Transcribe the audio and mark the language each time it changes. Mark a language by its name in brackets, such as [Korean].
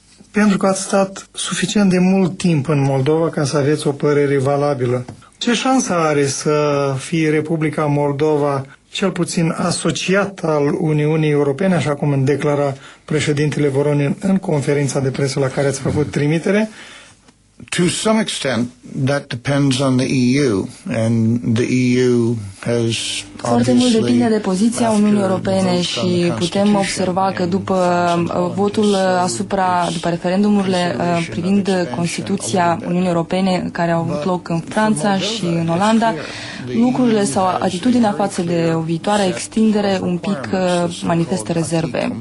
[Romanian] Pentru că ați stat suficient de mult timp în Moldova ca să aveți o părere valabilă, ce șansă are să fie Republica Moldova cel puțin asociat al Uniunii Europene, așa cum declara președintele Voronin în conferința de presă la care ați făcut trimitere? [English] To some extent, that depends on the EU, and the EU has obviously. [Romanian] Foarte mult depinde de poziția Uniunii Europene și putem observa că după votul asupra, după referendumurile privind Constituția Uniunii Europene care au avut loc în Franța și în Olanda, lucrurile sau atitudinea față de o viitoare extindere un pic manifestă rezerve.